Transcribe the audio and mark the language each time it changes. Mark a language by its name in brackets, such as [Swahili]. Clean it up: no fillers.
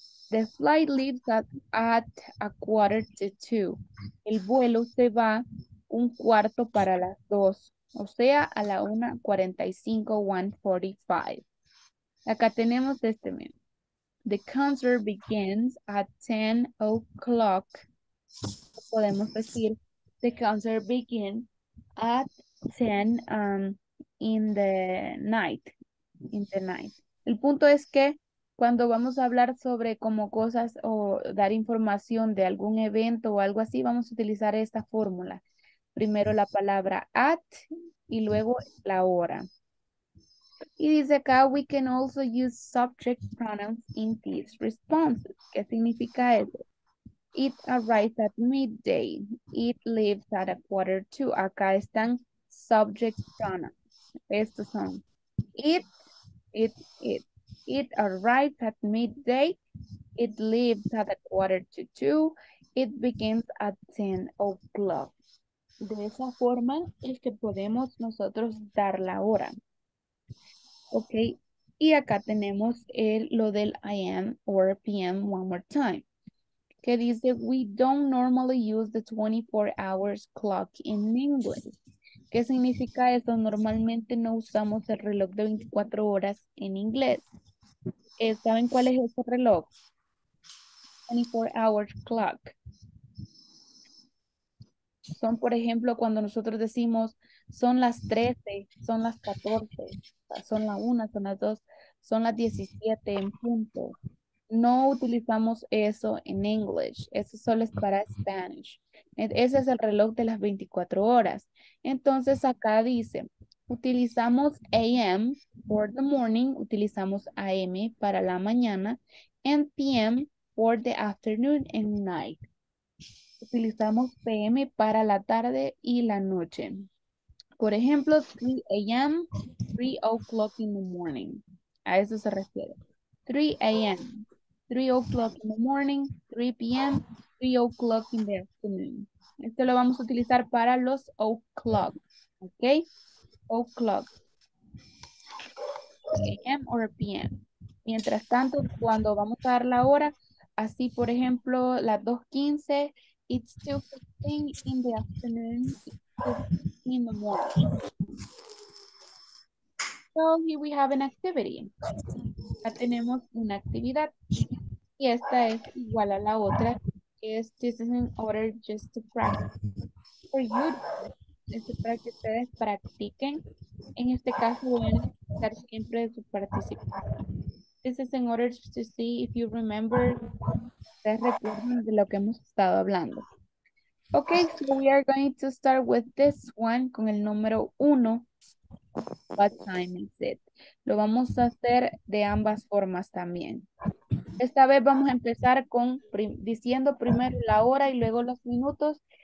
[English] The flight leaves at a quarter to two. [Spanish] El vuelo se va un cuarto para las dos, o sea, a la 1:45. Acá tenemos este mismo. [English] The concert begins at 10 o'clock. [Spanish] Podemos decir, [English] the concert begins at 10 in the night. In the night. [Spanish] El punto es que cuando vamos a hablar sobre como cosas o dar información de algún evento o algo así, vamos a utilizar esta fórmula. Primero la palabra at y luego la hora. Y dice acá, [English] we can also use subject pronouns in these responses. [Spanish] ¿Qué significa eso? [English] It arrives at midday. It leaves at a quarter to. [Spanish] Acá están [English] subject pronouns. [Spanish] Estos son [English] it. It arrives at midday. It leaves at a quarter to two. It begins at 10 o'clock. [Spanish] De esa forma es que podemos nosotros dar la hora. Ok. Y acá tenemos lo del [English] AM or PM one more time. [Spanish] Que dice, [English] we don't normally use the 24 hours clock in English. [Spanish] ¿Qué significa eso? Normalmente no usamos el reloj de 24 horas en inglés. ¿Saben cuál es ese reloj? [English] 24-hour clock. [Spanish] Son, por ejemplo, cuando nosotros decimos son las 13, son las 14, son la 1, son las 2, son las 17 en punto. No utilizamos eso en English. Eso solo es para Spanish. Ese es el reloj de las 24 horas. Entonces, acá dice, utilizamos AM [English] for the morning, [Spanish] utilizamos AM para la mañana, [English] and PM for the afternoon and night. [Spanish] Utilizamos PM para la tarde y la noche. Por ejemplo, 3 a.m., [English] 3 o'clock in the morning. [Spanish] A eso se refiere. [English] 3 a.m., 3 o'clock in the morning, 3 p.m., 3 o'clock in the afternoon. [Spanish] Esto lo vamos a utilizar para los o'clock, ¿ok? [English] O'clock, AM or PM. [Spanish] Mientras tanto, cuando vamos a dar la hora, así por ejemplo, las 2:15, [English] it's 2:15 in the afternoon, in the morning. So here we have an activity. [Spanish] Ya tenemos una actividad. Y esta es igual a la otra. Es, [English] this is in order just to practice. For you. [Spanish] Esto es para que ustedes practiquen. En este caso, voy a necesitar siempre de su participación. [English] This is in order to see if you remember. [Spanish] Ustedes recuerden de lo que hemos estado hablando. [English] Ok, so we are going to start with this one, [Spanish] con el número uno. [English] What time is it? [Spanish] Lo vamos a hacer de ambas formas también. Esta vez vamos a empezar con diciendo primero la hora y luego los minutos.